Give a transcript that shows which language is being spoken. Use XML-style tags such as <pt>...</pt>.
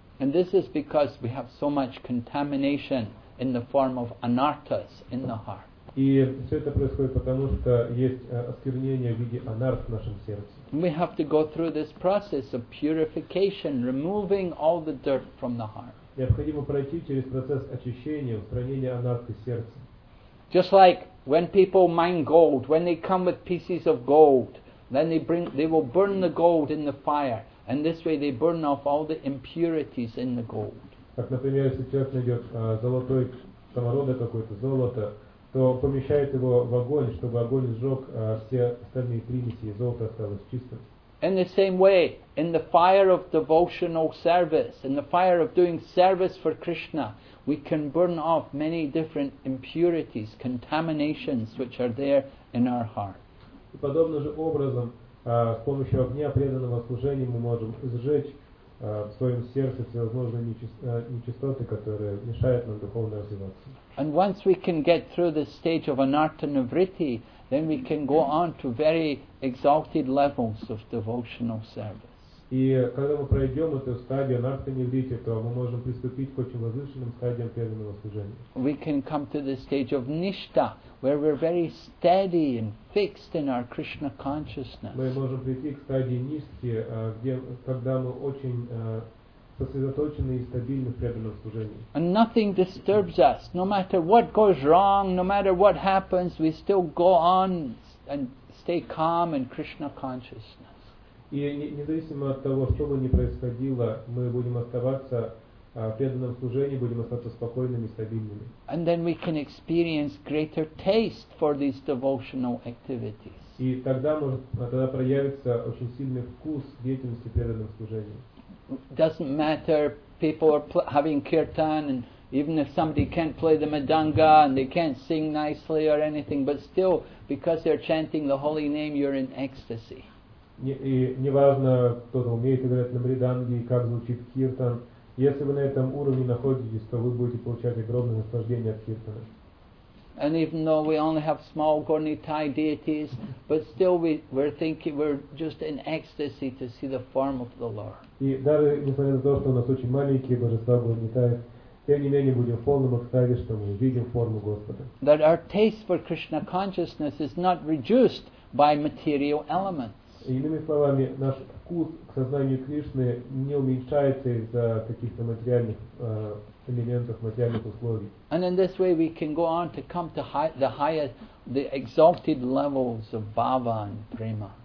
<en>And this is because we have so much contamination in the form of anarthas in the heart.</en> <ru>И все это происходит потому, что есть осквернение в виде анарх в нашем сердце.</ru> <en>We have to go through this process of purification, removing all the dirt from the heart.</en> <ru>Необходимо пройти через процесс очищения, устранения анарх из сердца.</ru> <en>Just like when people mine gold, when they come with pieces of gold, then they will burn the gold in the fire, and this way they burn off all the impurities in the gold.</en> <ru>Как, например, если человек найдет золотой самородок какой-то, золото, то помещает его в огонь, чтобы огонь сжег все остальные примеси, и золото осталось чистым.</ru> <en>In the same way, in the fire of devotional service, in the fire of doing service for Krishna, we can burn off many different impurities, contaminations which are there in our heart.</en> <ru>И подобным же образом, с помощью огня преданного служения мы можем сжечь в своем сердце всевозможные нечистоты, которые мешают нам духовно развиваться.</ru> <en>And once we can get through the stage of anartha nivritti, then we can go on to very exalted levels of devotional service.</en> <ru>И когда мы пройдем эту стадию анартха нивритти, то мы можем приступить к очень возвышенным стадиям преданного служения.</ru> <en>We can come to the stage of nishta, where we're very steady and fixed in our Krishna consciousness.</en> <ru>Мы можем прийти к стадии ништи, когда мы очень сосредоточены и стабильны в преданном служении.</ru> <en>And nothing disturbs us, no matter what goes wrong, no matter what happens, we still go on and stay calm in Krishna consciousness.</en> <ru>И независимо от того, что бы ни происходило, мы будем оставаться в преданном служении, будем оставаться спокойными и стабильными.</ru> <en>And then we can experience greater taste for these devotional activities.</en> <ru>И тогда проявится очень сильный вкус деятельности преданного служения.</ru> <en>Doesn't matter, people are having kirtan, and even if somebody can't play the madanga and they can't sing nicely or anything, but still, because they're chanting the holy name, you're in ecstasy.</en> <ru>И неважно, кто-то умеет играть на мриданге, как звучит киртан, если вы на этом уровне находитесь, то вы будете получать огромное наслаждение от киртана.</ru> <en>And even though we only have small Gornitai deities, but still we're just in ecstasy to see the form of the Lord.</en> <ru>И даже несмотря на то, что у нас очень маленькие божества Горнитай, тем не менее будем в полном экстазе, что мы видим форму Господа.</ru> <en>That our taste for Krishna consciousness is not reduced by material elements.</en> <ru>Иными словами, наш вкус к сознанию Кришны не уменьшается из-за каких-то материальных элементов, материальных условий.</ru> <en>And in this way we can go on to come to the higher, the exalted levels of bhava and prema.</en>